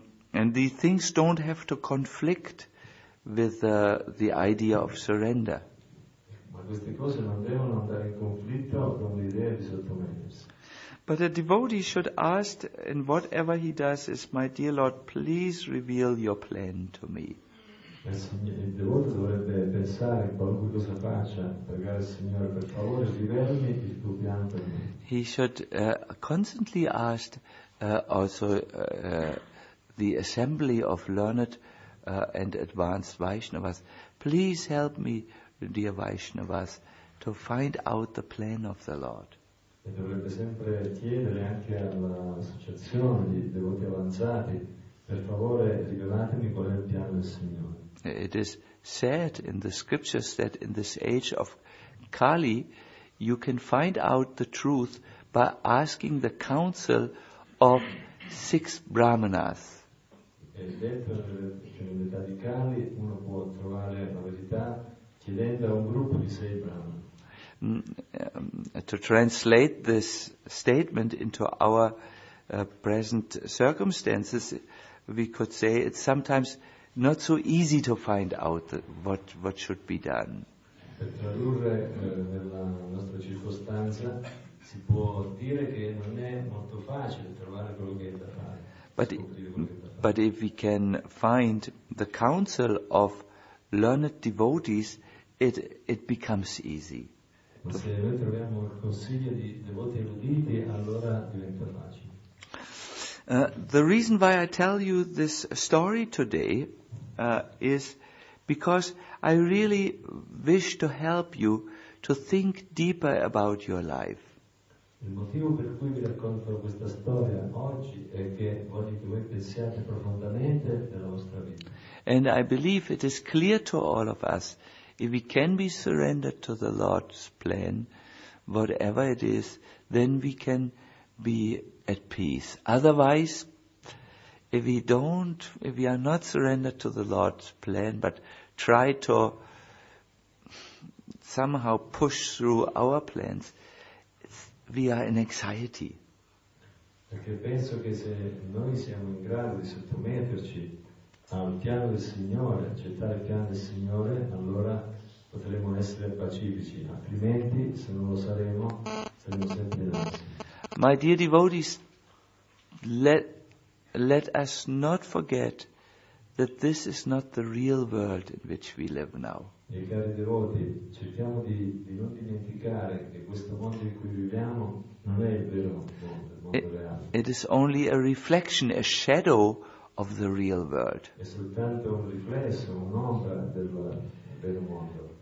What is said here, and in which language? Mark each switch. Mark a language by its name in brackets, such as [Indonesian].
[English] And these things don't have to conflict with the idea of surrender. [Italian] Ma queste cose non devono andare in conflitto con l'idea di sottomettersi. [English] But a devotee should ask in whatever he does is, "My dear Lord, please reveal your plan to me." [Italian] Il devoto dovrebbe pensare, qualunque cosa faccia, pregare il Signore, per favore, rivelami il tuo piano per me. [English] He should constantly ask the assembly of learned and advanced Vaishnavas, "Please help me, dear Vaishnavas, to find out the plan of the Lord." [Italian] E dovrebbe sempre chiedere anche all'associazione di devoti avanzati, per favore, rivelatemi qual è il piano del Signore. [English] It is said in the scriptures that in this age of Kali, you can find out the truth by asking the counsel of six brahmanas. [Italian] È detto che nell'età di Kali uno può trovare la verità chiedendo a un gruppo di sei brahmanas. [English] To translate this statement into our present circumstances, we could say it's sometimes not so easy to find out what should be done. [Italian] Per tradurre nella nostra circostanza si può dire che non è molto facile trovare quello che è da fare. [English] But if we can find the counsel of learned devotees, it becomes easy. [Italian] Se noi troviamo il consiglio di devoti eruditi, allora diventa facile. [English] The reason why I tell you this story today is because I really wish to help you to think deeper about your life. [Italian] Il motivo per cui vi racconto questa storia oggi è che voglio che voi pensiate profondamente della vostra vita. [English] And I believe it is clear to all of us, if we can be surrendered to the Lord's plan, whatever it is, then we can be at peace. Otherwise, if we are not surrendered to the Lord's plan, but try to somehow push through our plans, we are in anxiety. [Italian] Perché penso che se noi siamo in grado di sottometterci al piano del Signore, accettare il piano del Signore, allora potremo essere pacifici. Altrimenti, se non lo saremo, saremo sempre in ansia. [English] My dear devotees, let us not forget that this is not the real world in which we live now. [Italian] E cari devoti, cerchiamo di non dimenticare che questo mondo in cui viviamo non è il vero mondo, il mondo reale. [English] It is only a reflection, a shadow of the real world. [Italian] È soltanto un riflesso, un'ombra del vero mondo.